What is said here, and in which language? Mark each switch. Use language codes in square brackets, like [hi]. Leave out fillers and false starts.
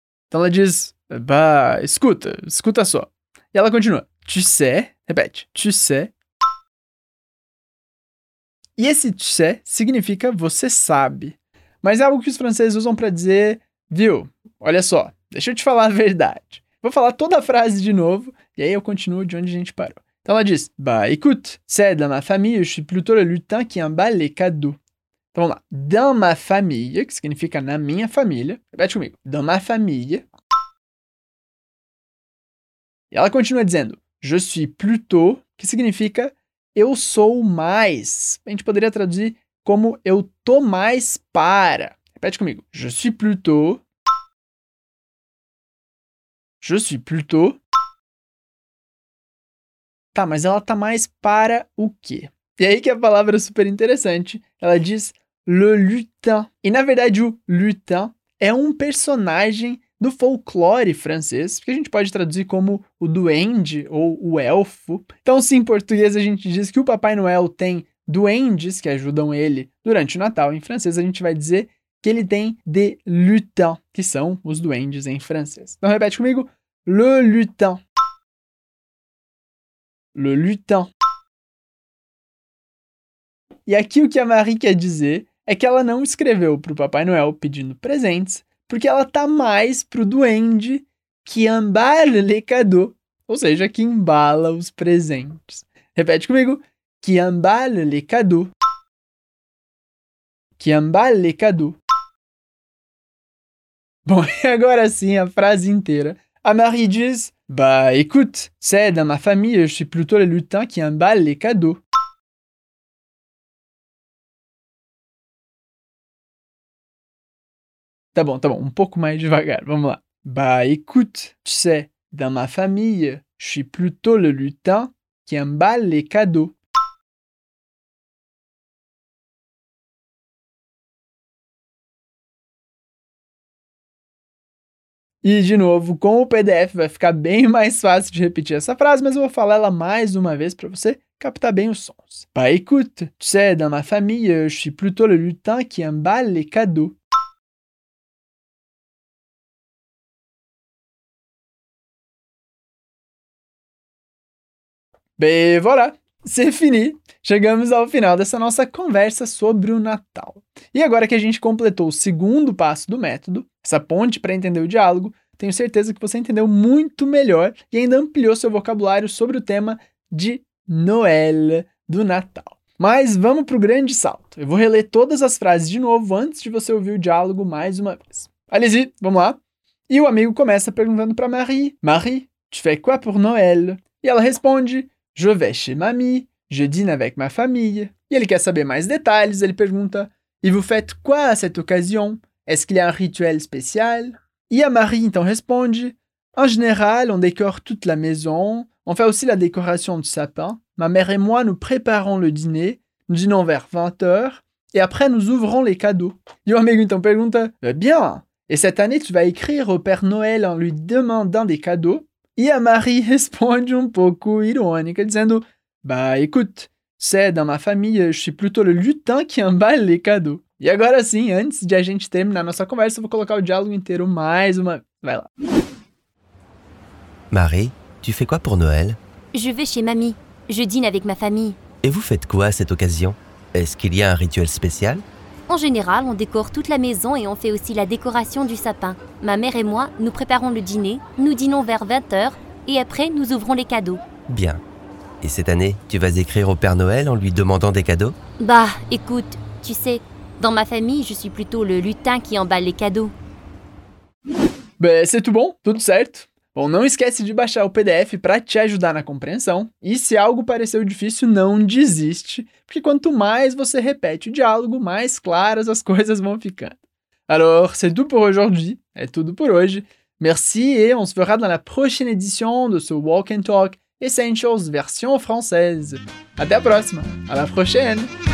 [pt] Então ela diz, bah, escuta, escuta só. E ela continua, [fr] tu sais, [pt] repete, tu sais. E esse [fr] tu sais [pt] significa você sabe. Mas é algo que os franceses usam pra dizer, viu, olha só, deixa eu te falar a verdade. Vou falar toda a frase de novo, e aí eu continuo de onde a gente parou. Então ela diz, [fr] bah, écoute, c'est dans ma famille, je suis plutôt le lutin qui emballe les cadeaux. [pt] Então vamos lá, [fr] dans ma famille, [pt] que significa na minha família, repete comigo, dans ma famille. E ela continua dizendo, [fr] je suis plutôt, [pt] que significa eu sou mais. A gente poderia traduzir como eu tô mais para. Repete comigo, [fr] je suis plutôt. Je suis plutôt. [pt] Tá, mas ela tá mais para o quê? E aí que a palavra é super interessante, ela diz le lutin. E na verdade o lutin é um personagem do folclore francês, que a gente pode traduzir como o duende ou o elfo. Então se em português a gente diz que o Papai Noel tem duendes que ajudam ele durante o Natal, em francês a gente vai dizer que ele tem des lutins, que são os duendes em francês. Então repete comigo, le lutin. [fr] Le lutin. [pt] E aqui o que a Marie quer dizer é que ela não escreveu pro Papai Noel pedindo presentes, porque ela tá mais pro duende que [fr] emballe les cadeaux, [pt] ou seja, que embala os presentes. Repete comigo, [fr] qui emballe les cadeaux. Qui emballe les cadeaux. [pt] Bom, e agora sim, a frase inteira. A Marie diz, [fr] bah, écoute, c'est dans ma famille, je suis plutôt le lutin qui emballe les cadeaux. [pt] Tá bom, um pouco mais devagar, vamos lá. [fr] Bah, écoute, tu sais, dans ma famille, je suis plutôt le lutin qui emballe les cadeaux. [pt] E, de novo, com o PDF vai ficar bem mais fácil de repetir essa frase, mas eu vou falar ela mais uma vez pra você captar bem os sons. [fr] Bah, écoute, tu sais, dans ma famille, je suis plutôt le lutin qui emballe les cadeaux. [pt] Bem, [fr] voilà, c'est fini. [pt] Chegamos ao final dessa nossa conversa sobre o Natal. E agora que a gente completou o segundo passo do método, essa ponte para entender o diálogo, tenho certeza que você entendeu muito melhor e ainda ampliou seu vocabulário sobre o tema de Noël, do Natal. Mas vamos para o grande salto. Eu vou reler todas as frases de novo antes de você ouvir o diálogo mais uma vez. [fr] Allez-y, [pt] vamos lá. E o amigo começa perguntando para Marie. [fr] Marie, tu fais quoi pour Noël? [pt] E ela responde, [fr] je vais chez mamie, je dîne avec ma famille. [pt] E ele quer saber mais detalhes, ele pergunta, [fr] et vous faites quoi à cette occasion? Est-ce qu'il y a un rituel spécial? [pt] E a Marie então responde, [fr] en général, on décore toute la maison, on fait aussi la décoration du sapin, ma mère et moi nous préparons le dîner, nous dînons vers 20h, et après nous ouvrons les cadeaux. [pt] E o amigo então pergunta, [fr] bien, et cette année tu vas écrire au Père Noël en lui demandant des cadeaux? [pt] E a Marie responde um pouco irônica, dizendo, [fr] bah, écoute, c'est dans ma famille, je suis plutôt le lutin qui emballe les cadeaux. [pt] E agora sim, antes de a gente terminar nossa conversa, eu vou colocar o diálogo inteiro mais uma vez. Vai lá. [fr] Marie, tu fais quoi pour Noël? Je vais chez mamie. Je dîne avec ma famille. Et vous faites quoi à cette occasion? Est-ce qu'il y a un rituel spécial? En général, on décore toute la maison et on fait aussi la décoration du sapin. Ma mère et moi, nous préparons le dîner, nous dînons vers 20h et après, nous ouvrons les cadeaux. Bien. Et cette année, tu vas écrire au Père Noël en lui demandant des cadeaux? Bah, écoute, tu sais, dans ma famille, je suis plutôt le lutin qui emballe les cadeaux. Ben, c'est tout bon, [pt] tudo certo. Bom, não esquece de baixar o PDF para te ajudar na compreensão. E se algo pareceu difícil, não desiste. Porque quanto mais você repete o diálogo, mais claras as coisas vão ficando. [fr] Alors, c'est tout pour aujourd'hui. [pt] É tudo por hoje. [fr] Merci et on se verra dans la prochaine édition de ce Walk and Talk Essentials version française. À la prochaine!